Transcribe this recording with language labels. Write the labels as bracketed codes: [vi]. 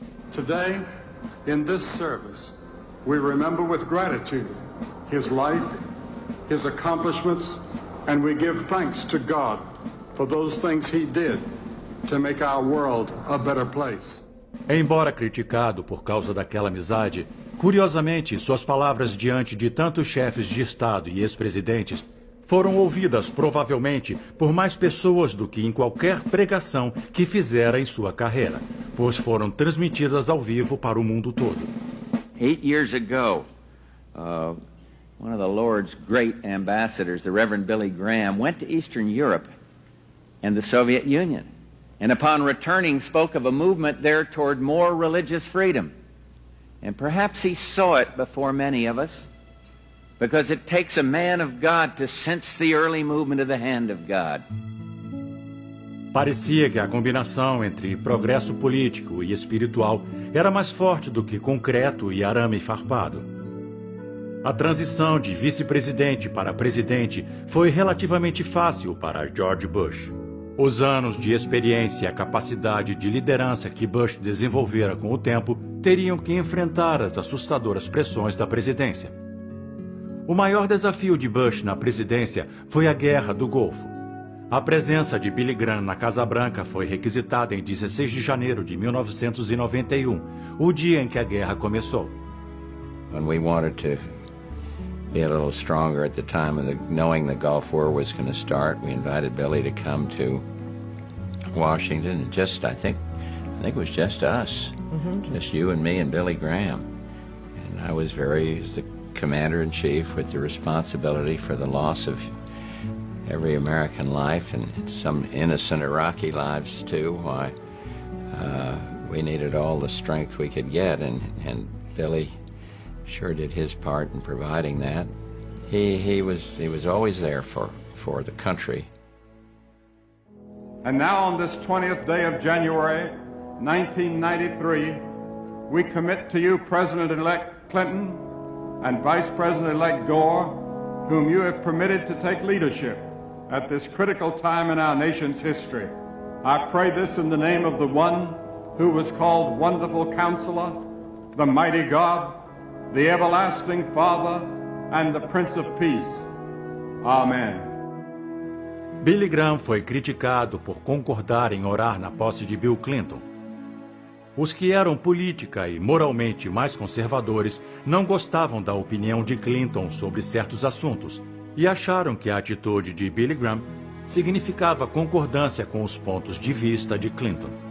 [en] Today, in this service, we remember with gratitude his life, his accomplishments, and we give thanks to God for those things he did to make our world a better place. [pt] Embora criticado por causa daquela amizade, curiosamente, suas palavras diante de tantos chefes de Estado e ex-presidentes foram ouvidas, provavelmente, por mais pessoas do que em qualquer pregação que fizera em sua carreira, pois foram transmitidas ao vivo para o mundo todo. [en] 8 years ago, one of the Lord's great ambassadors, the Reverend Billy Graham, went to Eastern Europe and the Soviet Union, and upon returning spoke of a movement there toward more religious freedom. And perhaps he saw it before many of us, because it takes a man of God to sense the early movement of the hand of God. [pt] Parecia que a combinação entre progresso político e espiritual era mais forte do que concreto e arame farpado. A transição de vice-presidente para presidente foi relativamente fácil para George Bush. Os anos de experiência e a capacidade de liderança que Bush desenvolvera com o tempo teriam que enfrentar as assustadoras pressões da presidência. O maior desafio de Bush na presidência foi a Guerra do Golfo. A presença de Billy Graham na Casa Branca foi requisitada em 16 de janeiro de 1991, o dia em que a guerra começou. Quando nós queríamos ser um pouco mais forte na época, sabendo que a Guerra do Golfo ia começar, nós convidamos Billy para vir para Washington e, acho que foi [en] just us. Just you and me and Billy Graham. And I was very, as the commander-in-chief, with the responsibility for the loss of every American life and some innocent Iraqi lives too. Why, we needed all the strength we could get, and Billy sure did his part in providing that. He was always there for the country. And now on this 20th day of January, 1993, we commit to you, President-elect Clinton, and Vice President-elect Gore, whom you have permitted to take leadership at this critical time in our nation's history. I pray this in the name of the one who was called Wonderful Counselor, the Mighty God, the Everlasting Father, and the Prince of Peace. Amen. [pt] Billy Graham foi criticado por concordar em orar na posse de Bill Clinton. Os que eram política e moralmente mais conservadores não gostavam da opinião de Clinton sobre certos assuntos e acharam que a atitude de Billy Graham significava concordância com os pontos de vista de Clinton.